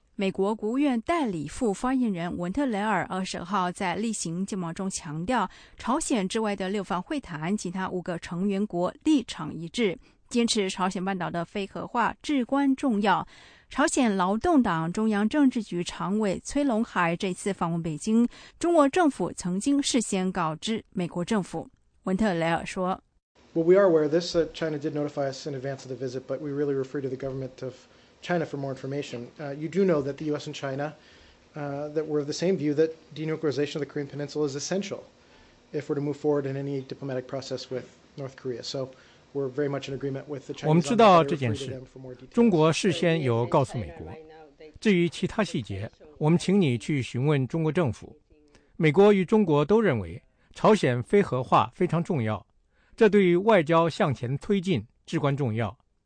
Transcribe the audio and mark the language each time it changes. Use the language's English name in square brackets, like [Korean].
[Chinese] 美国国务院代理副发言人文特雷尔20号在例行见报中强调，朝鲜之外的六方会谈其他五个成员国立场一致，坚持朝鲜半岛的非核化至关重要。朝鲜劳动党中央政治局常委崔龙海这次访问北京，中国政府曾经事先告知美国政府。文特雷尔说 [English] ：“Well, we are aware of this. China did notify us in advance of the visit, but we really refer to the government of China for more information. You do know that the U.S. and China that were of the same view that denuclearization of the Korean Peninsula is essential if we're to move forward in any diplomatic process with North Korea. So.” [Chinese] 我们知道这件事，中国事先有告诉美国。至于其他细节，我们请你去询问中国政府。美国与中国都认为朝鲜非核化非常重要，这对于外交向前推进至关重要。